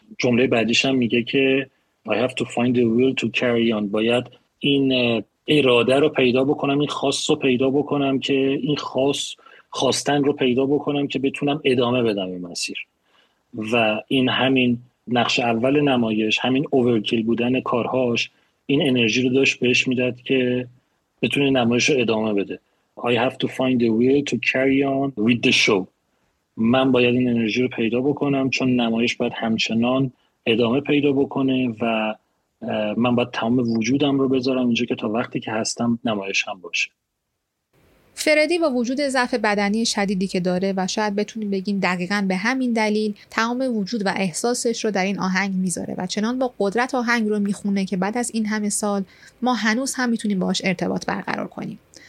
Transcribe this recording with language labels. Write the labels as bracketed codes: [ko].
[fa] جمله بعدیش هم میگه که [en] I have to find the will to carry on، [fa] باید این اراده رو پیدا بکنم، این خاص رو پیدا بکنم که این خواستن رو پیدا بکنم که بتونم ادامه بدم این مسیر. و این همین نقش اول نمایش، همین اوورکیل بودن کارهاش، این انرژی رو داشت بهش میداد که بتونه نمایش رو ادامه بده. [en] I have to find the will to carry on with the show. [fa] من باید این انرژی رو پیدا بکنم چون نمایش باید همچنان ادامه پیدا بکنه و من باید تمام وجودم رو بذارم اینجا که تا وقتی که هستم نمایش هم باشه. فردی با وجود ضعف بدنی شدیدی که داره و شاید بتونیم بگیم دقیقاً به همین دلیل، تمام وجود و احساسش رو در این آهنگ میذاره و چنان با قدرت آهنگ رو میخونه که بعد از این همه سال ما هنوز هم میتونیم باهاش ارتباط برقرار کنیم.